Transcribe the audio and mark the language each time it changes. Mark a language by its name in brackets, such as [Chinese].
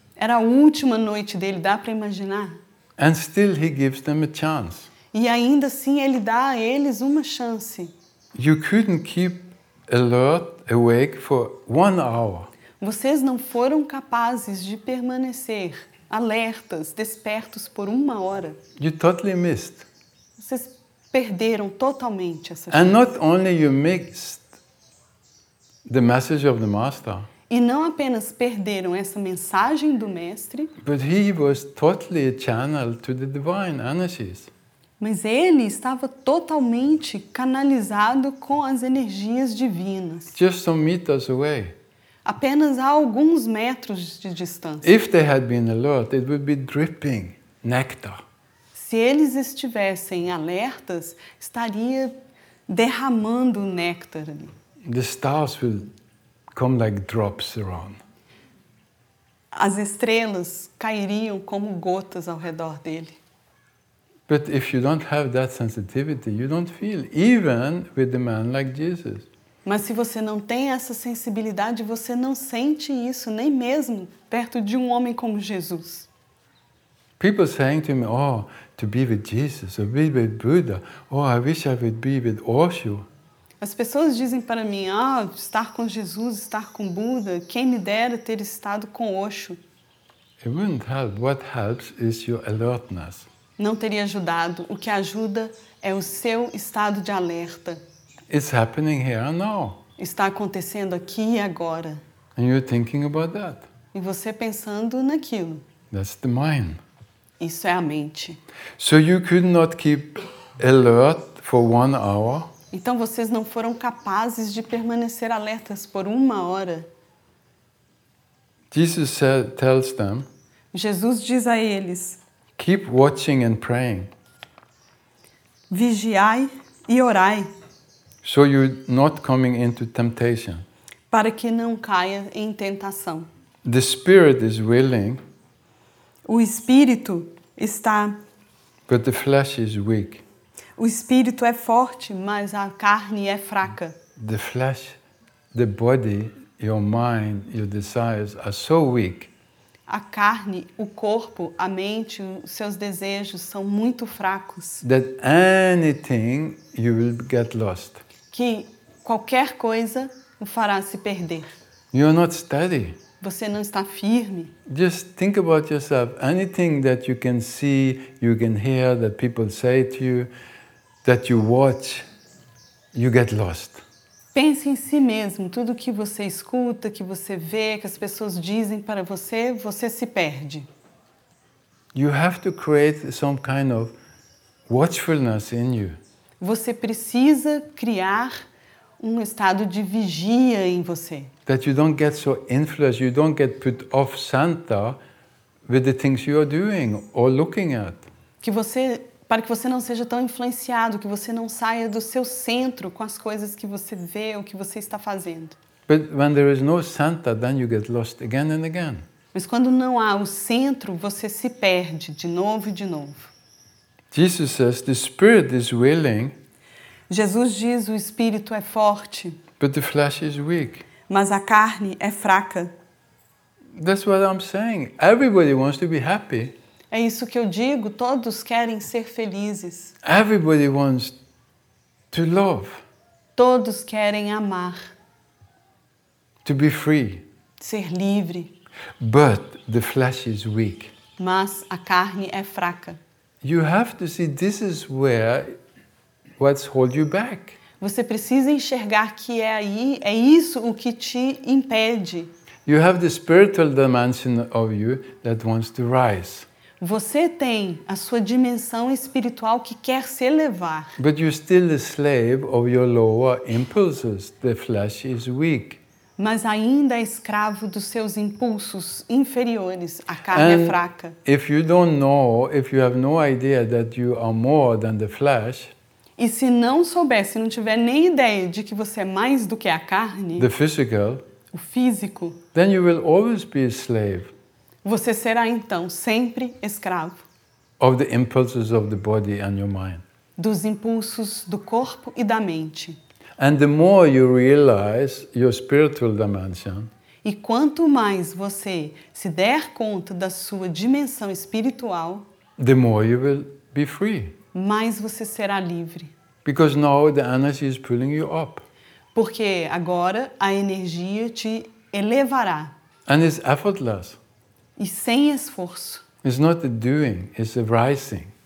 [Portuguese] Era a última noite dele, dá para imaginar? [English] And still he gives them a chance. [Portuguese] E ainda assim ele dá a eles uma chance. [English] You couldn't keep alert, awake for 1 hour. [Portuguese] Vocês não foram capazes de permanecer alertas, despertos por 1 hora. [English] You totally missed. [Portuguese] Vocês perderam totalmente essa chance. [English] And not only you missed the message of the master. [Portuguese] E não apenas perderam essa mensagem do mestre. [English] But he was totally a channel to the divine energies. [Portuguese] Mas ele estava totalmente canalizado com as energias divinas. [English] Just some meters away. [Portuguese] Apenas a alguns metros de distância. [English] If they had been alert, it would be dripping nectar. [Portuguese] Se eles estivessem alertas, estaria derramando néctar ali. [English] The stars will come like drops around. [Portuguese] As estrelas cairiam como gotas ao redor dele. [English] But if you don't have that sensitivity, you don't feel, even with a man like Jesus. [Portuguese] Mas se você não tem essa sensibilidade, você não sente isso nem mesmo perto de um homem como Jesus. [English] People saying to me, oh, to be with Jesus, to be with Buddha, oh, I wish I would be with Osho. [Portuguese] As pessoas dizem para mim, ah, estar com Jesus, estar com Buda, quem me dera ter estado com Osho. [English] It wouldn't help. What helps is your alertness. [Portuguese] Não teria ajudado. O que ajuda é o seu estado de alerta. [English] It's happening here now. [Portuguese] Está acontecendo aqui e agora. [English] And you're thinking about that. [Portuguese] E você pensando naquilo. [English] That's the mind. [Portuguese] Isso é a mente. [English] So you could not keep alert for 1 hour. [Portuguese] Então vocês não foram capazes de permanecer alertas por 1 hora. [English] Jesus tells them. [Portuguese] Jesus diz a eles. [English] Keep watching and praying. [Portuguese] Vigiai e orai. [English] So you're not coming into temptation. [Portuguese] Para que não caia em tentação. [English] The spirit is willing. [Portuguese] O espírito está. [English] But the flesh is weak. [Portuguese] O espírito é forte, mas a carne é fraca. [English] The flesh, the body, your mind, your desires are so weak. [Portuguese] A carne, o corpo, a mente, os seus desejos são muito fracos. [English] That anything you will get lost. [Portuguese] Que qualquer coisa o fará se perder. [English] You're not steady. [Portuguese] Você não está firme. [English] Just think about yourself. Anything that you can see, you can hear, that people say to you, that you watch, you get lost. [Portuguese] Pense em si mesmo, tudo que você escuta, que você vê, que as pessoas dizem para você, você se perde. [English] You have to create some kind of watchfulness in you. [Portuguese] Você precisa criar um estado de vigia em você. [English] That you don't get so influenced, you don't get put off center with the things you are doing or looking at. [Portuguese] Que você Para que você não seja tão influenciado, que você não saia do seu centro com as coisas que você vê ou que você está fazendo. [English] But when there is no center, then you get lost again and again. [Portuguese] Mas quando não há o centro, você se perde de novo e de novo. [English] Jesus says the spirit is willing. [Portuguese] Jesus diz o espírito é forte. [English] But the flesh is weak. [Portuguese] Mas a carne é fraca. [English] That's what I'm saying. Everybody wants to be happy. [Portuguese] É isso que eu digo, todos querem ser felizes. [English] Everybody wants to love. [Portuguese] Todos querem amar. [English] To be free. [Portuguese] Ser livre. [English] But the flesh is weak. [Portuguese] Mas a carne é fraca. [English] You have to see this is where what's hold you back. [Portuguese] Você precisa enxergar que é aí, é isso o que te impede. [English] You have the spiritual dimension of you that wants to rise. [Portuguese] Você tem a sua dimensão espiritual que quer se elevar. [English] But you're still a slave of your lower impulses. The flesh is weak. [Portuguese] Mas ainda é escravo dos seus impulsos inferiores. A carne é fraca. [English] If you don't know, if you have no idea that you are more than the flesh. [Portuguese] E se não souber, se não tiver nem ideia de que você é mais do que a carne. [English] The physical. [Portuguese] O físico. [English] Then you will always be a slave. [Portuguese] Você será então sempre escravo. [English] Of the impulses of the body and your mind. [Portuguese] Dos impulsos do corpo e da mente. [English] And the more you realize your spiritual dimension. [Portuguese] E quanto mais você se der conta da sua dimensão espiritual. [English] The more you will be free. [Portuguese] Mais você será livre. [English] Because now the energy is pulling you up. [Portuguese] Porque agora a energia te elevará. [English] And it's effortless. [Portuguese] E sem esforço. [English] It's not a doing, it's a rising.